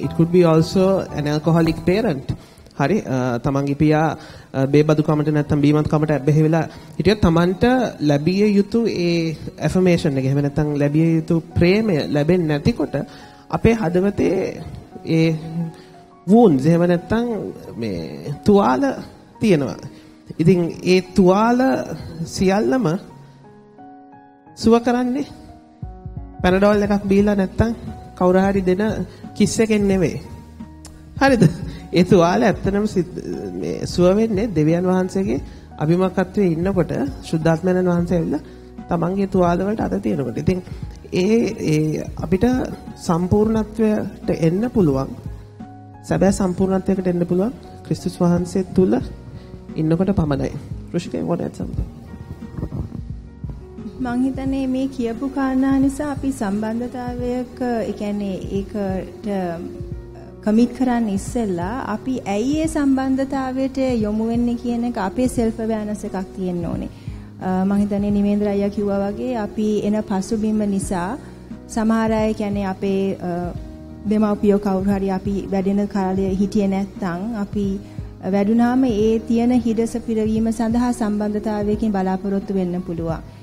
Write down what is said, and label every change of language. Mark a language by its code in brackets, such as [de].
[en] It could be also an alcoholic parent. [si] හරි, තමන්ගේ පියා බේබදුකමට නැත්නම් බීමත්කමට ඇබ්බැහි වෙලා හිටියොත් තමන්ට ලැබිය යුතු ඒ affirmation එක, එහෙම නැත්නම් ලැබිය යුතු ප්‍රේමය ලැබෙන්නේ නැතිකොට අපේ හදවතේ ඒ wounds, එහෙම නැත්නම් මේ තුවාල තියෙනවා. ඉතින් ඒ තුවාල සියල්ලම සුව කරන්නේ පැනඩෝල් එකක් බීලා නැත්තම් කවුරු හරි දෙන කිස් එකෙන් නෙවෙයි. හරිද? ඒ තුවාල ඇත්තනම් මේ සුව වෙන්නේ දෙවියන් වහන්සේගේ අභිමකත්වයේ ඉන්නකොට, ශුද්ධාත්මයන් වහන්සේ ඇවිල්ලා තමන්ගේ තුවාල වලට අත තියනකොට. ඉතින් ඒ අපිට සම්පූර්ණත්වයට එන්න පුළුවන්, සැබෑ සම්පූර්ණත්වයකට එන්න පුළුවන් ක්‍රිස්තුස් වහන්සේ තුල ඉන්නකොට පමණයි. ෘෂිකේ what at some මං හිතන්නේ මේ කියපු කාරණා නිසා අපි සම්බන්ධතාවයක, ඒ කියන්නේ ඒකට කමිට් කරන්න ඉස්සෙල්ලා අපි ඇයි ඒ සම්බන්ධතාවයට යොමු වෙන්නේ කියන එක අපේ self awareness එකක් තියෙන්න ඕනේ. මං හිතන්නේ නිමේන්ද්‍ර අයියා කිව්වා වගේ අපි එන පසුබිම නිසා සමහර අය, කියන්නේ අපේ දෙමව්පියෝ කවුරු හරි අපි වැඩෙන කාලේ හිටියේ නැත්නම් අපි වැඩුණාම ඒ තියෙන හිඩස පිරවීම සඳහා සම්බන්ධතාවයකින් බලාපොරොත්තු වෙන්න පුළුවන්.